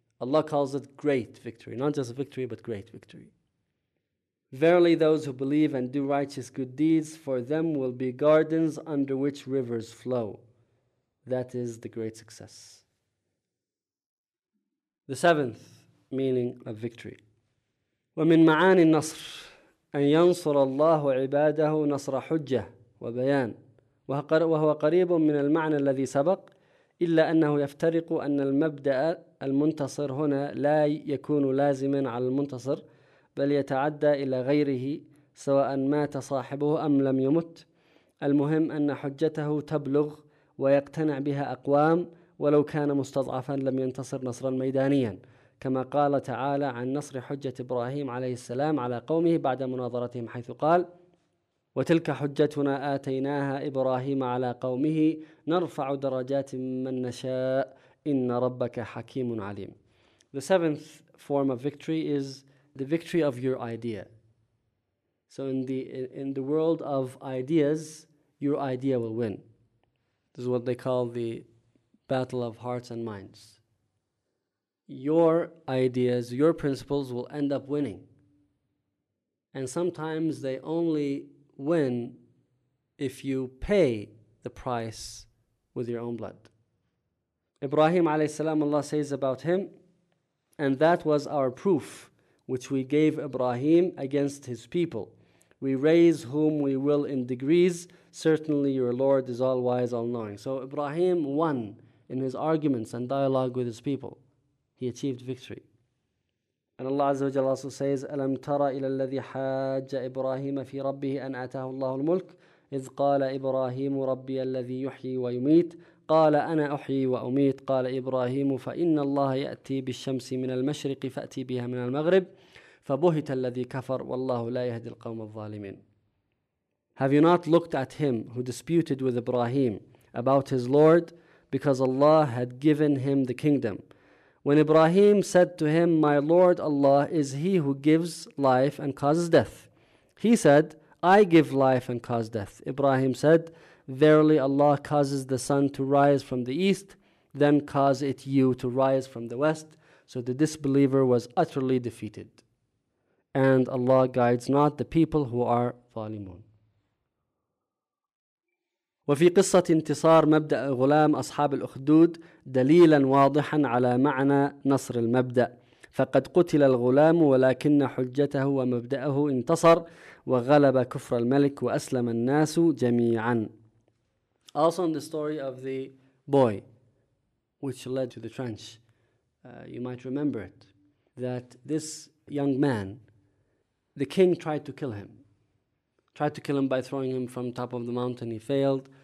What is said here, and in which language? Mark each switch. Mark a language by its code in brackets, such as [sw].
[en] Allah calls it great victory, not just a victory, but great victory. Verily those who believe and do righteous good deeds, for them will be gardens under which rivers flow. That is the great success. The seventh meaning of victory. [ar] وَمِن مَعَانِ النَّصْرِ أَن يَنْصُرَ اللَّهُ عِبَادَهُ نَصْرَ حُجَّةٍ وَبَيَانٍ وَهُوَ قَرِيبٌ مِنَ الْمَعْنَى الَّذِي سَبَقٍ إِلَّا أَنَّهُ يَفْتَرِقُ أَنَّ الْمَبْدَأَ الْمُنْتَصِرِ هُنَا لَا يَكُونُ لَازِمًا عَلَى الْمُنْتَصِرِ بل يتعدى إلى غيره سواء مات صاحبه أم لم يمت المهم أن حجته تبلغ ويقتنع بها أقوام ولو كان مستضعفا لم ينتصر نصرا ميدانيا كما قال تعالى عن نصر حجة إبراهيم عليه السلام على قومه بعد مناظرتهم حيث قال وتلك حجتنا آتيناها إبراهيم على قومه نرفع درجات من نشاء إن ربك حكيم عليم. [en] The seventh form of victory is the victory of your idea. So in the world of ideas, your idea will win. This is what they call the battle of hearts and minds. Your ideas, your principles will end up winning. And sometimes they only win if you pay the price with your own blood. Ibrahim alayhi salam, Allah says about him, and that was our proof which we gave Ibrahim against his people. We raise whom we will in degrees. Certainly your Lord is all-wise, all-knowing. So Ibrahim won in his arguments and dialogue with his people. He achieved victory. And Allah Azza wa Jalla also says, [ar] أَلَمْ تَرَ إِلَى الَّذِي حَاجَّ إِبْرَاهِيمَ فِي رَبِّهِ أَنْ آتَاهُ اللَّهُ الْمُلْكِ إِذْ قَالَ إِبْرَاهِيمُ رَبِّيَ الَّذِي يُحْيِي وَيُمِيتِ قال أنا أحيي وأميت قال إبراهيم فإن الله يأتي بالشمس من المشرق فأتي بها من المغرب فبهت الذي كفر والله لا يهدي القوم الظالمين. [en] Have you not looked at him who disputed with Ibrahim about his Lord because Allah had given him the kingdom? When Ibrahim said to him, My Lord Allah is he who gives life and causes death. He said, I give life and cause death. Ibrahim said, Verily Allah causes the sun to rise from the east, then cause it you to rise from the west. So the disbeliever was utterly defeated. And Allah guides not the people who are zalimun. [ar] وفي قصة انتصار مبدأ غلام أصحاب الأخدود دليلا واضحا على معنى نصر المبدأ، فقد قتل الغلام ولكن حجته ومبدأه انتصر وغلب كفر الملك وأسلم الناس جميعا. [en] Also in the story of the boy which led to the trench, you might remember it, that this young man, the king tried to kill him by throwing him from top of the mountain, he failed.